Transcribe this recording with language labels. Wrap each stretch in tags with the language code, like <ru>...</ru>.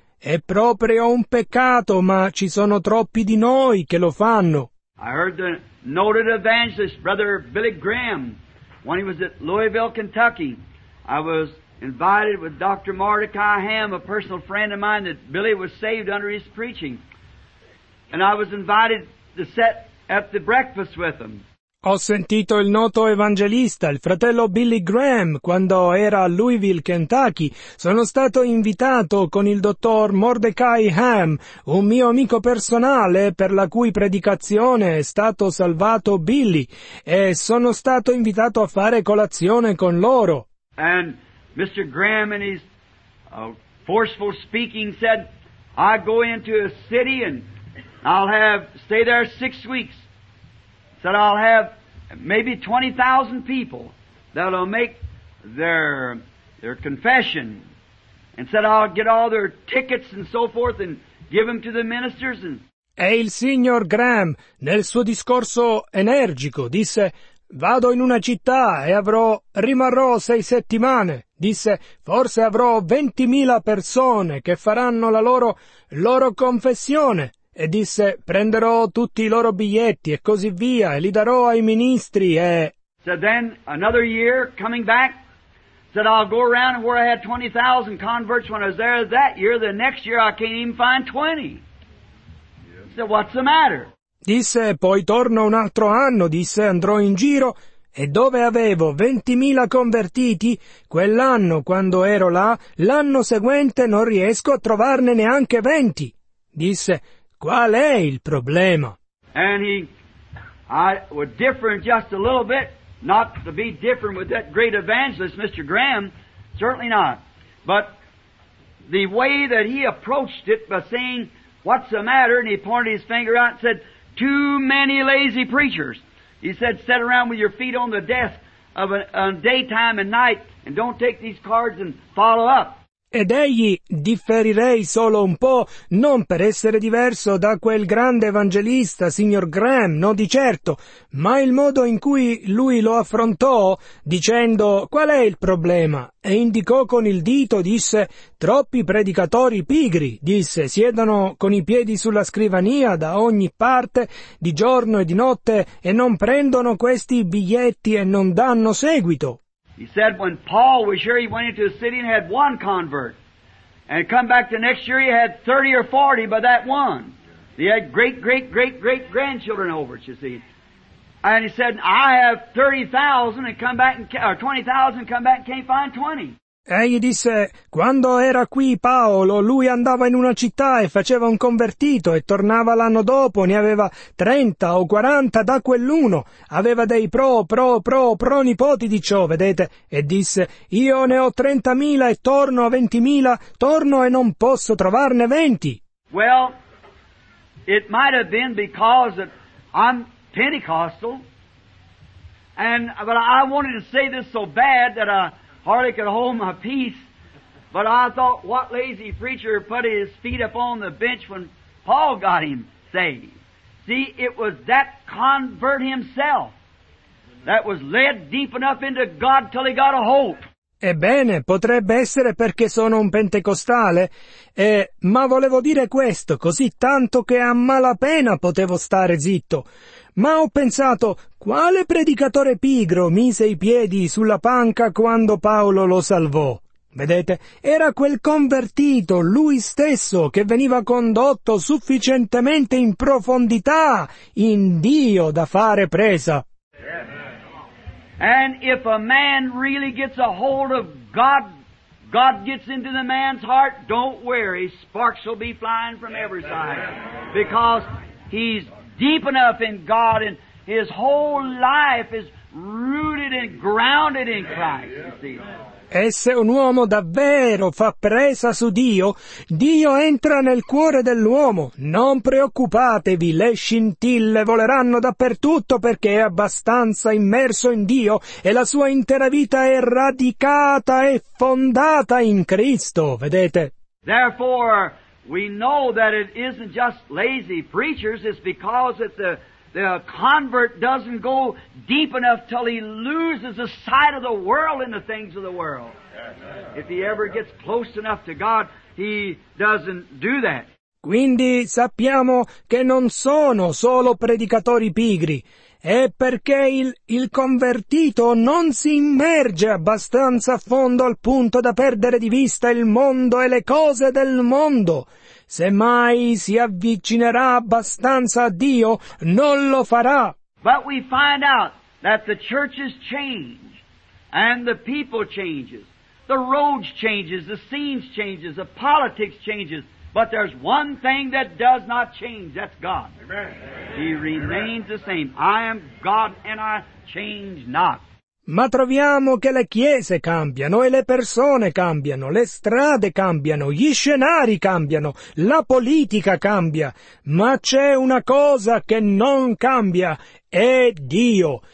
<it>È proprio un peccato, ma ci sono troppi di noi che lo fanno.</it> <en>I heard the noted evangelist, Brother Billy Graham, when he was at Louisville, Kentucky. I was invited with Dr. Mordecai Ham, a personal friend of mine, that Billy was saved under his preaching. And I was invited to sit at the breakfast with him.</en> <it>Ho sentito il noto evangelista, il fratello Billy Graham, quando era a Louisville, Kentucky. Sono stato invitato con il dottor Mordecai Ham, un mio amico personale per la cui predicazione è stato salvato Billy, e sono stato invitato a fare colazione con loro.</it> <en>And Mr. Graham in his forceful speaking said, I go into a city and I'll have stay there 6 weeks. Said I'll have maybe 20,000 people that'll make their confession. And said I'll get all their tickets and so forth and give them to the ministers. And...</en> <it>E il signor Graham, nel suo discorso energico, disse: vado in una città e rimarrò 6 settimane. Disse, forse avrò 20,000 persone che faranno la loro confessione. E disse, prenderò tutti i loro biglietti e così via, e li darò ai ministri e...</it> <en>Said then, another year, coming back, said I'll go around where I had 20,000 converts when I was there that year, the next year I can't even find 20. Said, what's the matter?</en> <it>Disse, poi torno un altro anno, disse, andrò in giro, e dove avevo 20,000 convertiti, quell'anno, quando ero là, l'anno seguente non riesco a trovarne neanche 20. Disse, qual è il problema?</it> <en>And he, I was different just a little bit, not to be different with that great evangelist, Mr. Graham, certainly not. But the way that he approached it by saying, what's the matter, and he pointed his finger out and said, too many lazy preachers. He said, sit around with your feet on the desk of a daytime and night and don't take these cards and follow up.</en> <it>Ed egli, differirei solo un po', non per essere diverso da quel grande evangelista, signor Graham, no di certo, ma il modo in cui lui lo affrontò, dicendo qual è il problema, e indicò con il dito, disse, troppi predicatori pigri, disse, siedono con i piedi sulla scrivania da ogni parte, di giorno e di notte, e non prendono questi biglietti e non danno seguito.</it> <en>He said when Paul was here, he went into a city and had one convert. And come back the next year, he had 30 or 40 by that one. He had great, great, great, great grandchildren over it, you see. And he said, I have 30,000 and come back, or 20,000 come back and can't find 20.</en> <it>Egli disse, quando era qui Paolo, lui andava in una città e faceva un convertito e tornava l'anno dopo, ne aveva 30 o 40 da quell'uno, aveva dei pronipoti di ciò, vedete, e disse, io ne ho 30,000 e torno a 20,000, torno e non posso trovarne 20.</it> <en>Well, it might have been because I'm Pentecostal, but I wanted to say this so bad that I... hardly could hold my peace, but I thought, what lazy preacher put his feet up on the bench when Paul got him saved? See, it was that convert himself that was led deep enough into God till he got a hope.</en> <it>Ebbene, potrebbe essere perché sono un pentecostale, ma volevo dire questo, così tanto che a malapena potevo stare zitto. Ma ho pensato, quale predicatore pigro mise i piedi sulla panca quando Paolo lo salvò? Vedete, era quel convertito, lui stesso, che veniva condotto sufficientemente in profondità, in Dio da fare presa.</it> <en>And if a man really gets a hold of God, God gets into the man's heart, don't worry, sparks will be flying from every side. Because he's deep enough in God and his whole life is rooted and grounded in Christ, you see.</en> <it>E se un uomo davvero fa presa su Dio, Dio entra nel cuore dell'uomo. Non preoccupatevi, le scintille voleranno dappertutto perché è abbastanza immerso in Dio e la sua intera vita è radicata e fondata in Cristo, vedete?</it> <en>Therefore, we know that it isn't just lazy preachers, it's because that the convert doesn't go deep enough till he loses the sight of the world and the things of the world. If he ever gets close enough to God, he doesn't do that.</en> <it>Quindi sappiamo che non sono solo predicatori pigri. È perché il convertito non si immerge abbastanza a fondo al punto da perdere di vista il mondo e le cose del mondo. Semmai si avvicinerà abbastanza a Dio, non lo farà.</it> <en>But we find out that the churches change, and the people changes, the roads changes, the scenes changes, the politics changes. But there's one thing that does not change, that's God. Amen. He remains Amen. The same. I am God and I change not.</en> <it>Ma troviamo che le chiese cambiano e le persone cambiano, le strade cambiano, gli scenari cambiano, la politica cambia. Ma c'è una cosa che non cambia, è Dio.</it>